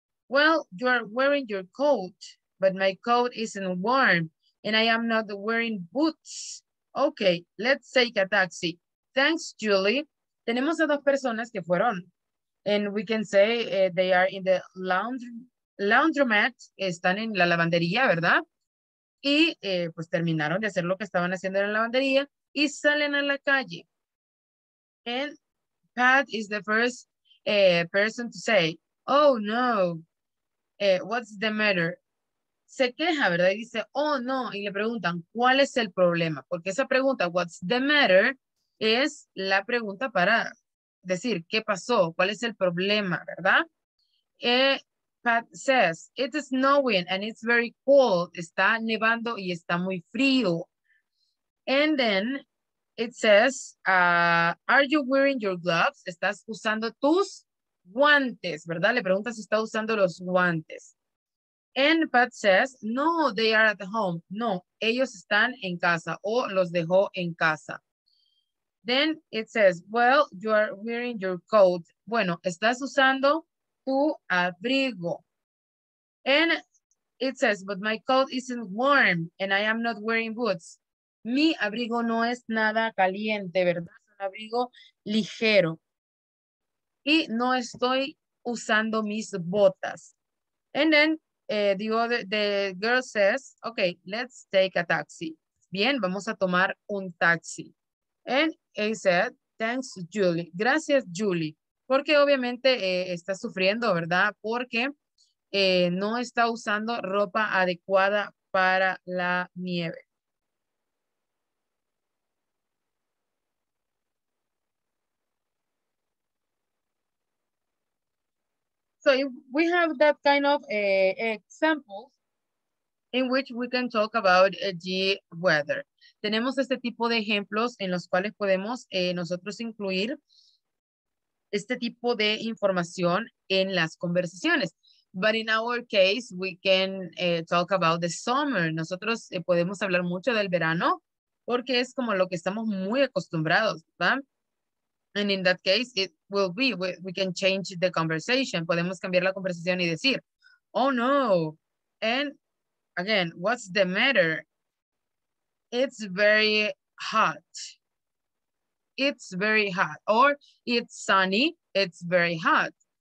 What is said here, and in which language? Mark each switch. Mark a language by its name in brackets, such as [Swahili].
[English] Well, you are wearing your coat, but my coat isn't warm and I am not wearing boots. Okay, let's take a taxi. Thanks, Julie. [Spanish] Tenemos a dos personas que fueron. [English] And we can say they are in the laundromat. [Spanish] Están en la lavandería, ¿verdad? Y pues terminaron de hacer lo que estaban haciendo en la lavandería y salen a la calle. [English] And Pat is the first person to say, oh no. What's the matter? [Spanish] Se queja, ¿verdad? Y dice, oh, no. Y le preguntan, ¿cuál es el problema? Porque esa pregunta, [English] what's the matter, [Spanish] es la pregunta para decir, ¿qué pasó? ¿Cuál es el problema, verdad? [English] Pat says, it's snowing and it's very cold. [Spanish] Está nevando y está muy frío. [English] And then it says, are you wearing your gloves? [Spanish] ¿Estás usando tus guantes, verdad? Le pregunta si está usando los guantes. [English] And Pat says, no, they are at home. [Spanish] No, ellos están en casa o los dejó en casa. [English] Then it says, well, you are wearing your coat. [Spanish] Bueno, estás usando tu abrigo. [English] And it says, but my coat isn't warm and I am not wearing boots. [Spanish] Mi abrigo no es nada caliente, ¿verdad? Es un abrigo ligero. Y no estoy usando mis botas. [English] And then the girl says, okay, let's take a taxi. [Spanish] Bien, vamos a tomar un taxi. [English] And he said, thanks, Julie. [Spanish] Gracias, Julie. Porque obviamente está sufriendo, ¿verdad? Porque no está usando ropa adecuada para la nieve. [English] So if we have that kind of examples in which we can talk about the weather. [Spanish] Tenemos este tipo de ejemplos en los cuales podemos nosotros incluir este tipo de información en las conversaciones. [English] But in our case, we can talk about the summer. [Spanish] Nosotros podemos hablar mucho del verano porque es como lo que estamos muy acostumbrados, ¿verdad? [English] And in that case, it will be, we can change the conversation. [Spanish] Podemos cambiar la conversación y decir, oh no. [English] And again, what's the matter? It's very hot. It's very hot. Or it's sunny. It's very hot.